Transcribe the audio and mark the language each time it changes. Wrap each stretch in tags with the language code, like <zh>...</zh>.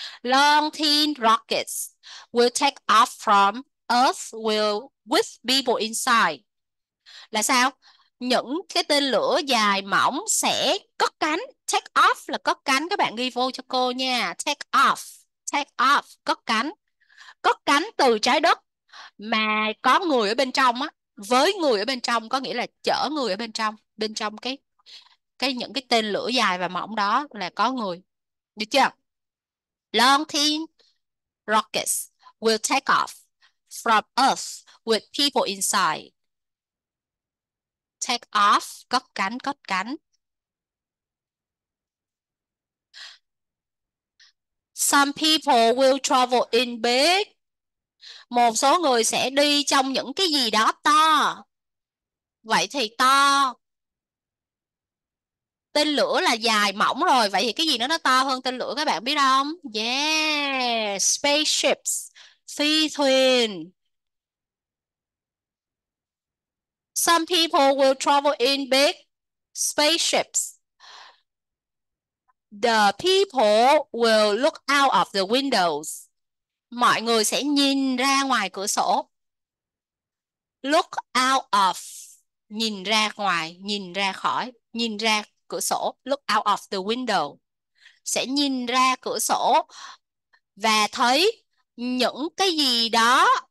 <en>Long thin rockets will take off from Earth will with people inside.</en> <vi>Là sao? Những cái tên lửa dài mỏng sẽ cất cánh. Take off là cất cánh. Các bạn ghi vô cho cô nha. Take off. Take off. Cất cánh. Cất cánh từ trái đất mà có người ở bên trong á. Với người ở bên trong có nghĩa là chở người ở bên trong cái những cái tên lửa dài và mỏng đó là có người. Được chưa?</vi> <en>Long thin rockets will take off from Earth with people inside.</en> <vi>Take off, cất cánh, cất cánh.</vi> <en>Some people will travel in big.</en> <vi>Một số người sẽ đi trong những cái gì đó to. Vậy thì to. Tên lửa là dài mỏng rồi. Vậy thì cái gì nó to hơn tên lửa các bạn biết không? Yeah, spaceships, phi thuyền.</vi> <en>Some people will travel in big spaceships. The people will look out of the windows.</en> <vi>Mọi người sẽ nhìn ra ngoài cửa sổ.</vi> <en>Look out of.</en> <vi>Nhìn ra ngoài, nhìn ra khỏi, nhìn ra cửa sổ.</vi> <en>Look out of the window.</en> <vi>Sẽ nhìn ra cửa sổ và thấy những cái gì đó.</vi>